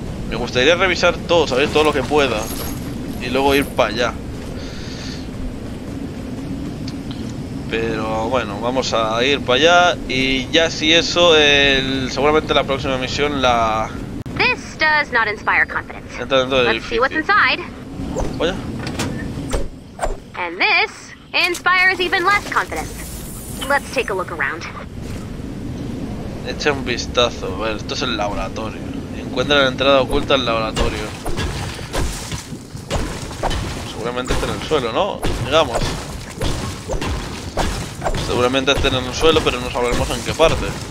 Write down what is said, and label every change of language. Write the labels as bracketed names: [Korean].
[Spanish] Me gustaría revisar todo, ¿sabéis? Todo lo que pueda. Y luego ir para allá. Pero bueno, vamos a ir para allá. Y ya si eso, seguramente la próxima misión la... [English] This does not inspire confidence. [Spanish] Entra dentro del [English] edificio. Let's see what's inside. [Spanish] Vaya. [English] And this inspires even less confidence. Let's take a look around. [Spanish] Echa un vistazo. A ver, esto es el laboratorio. Encuentra la entrada oculta al laboratorio. Seguramente está en el suelo, ¿no? Digamos. Seguramente esté en el suelo, pero no sabremos en qué parte.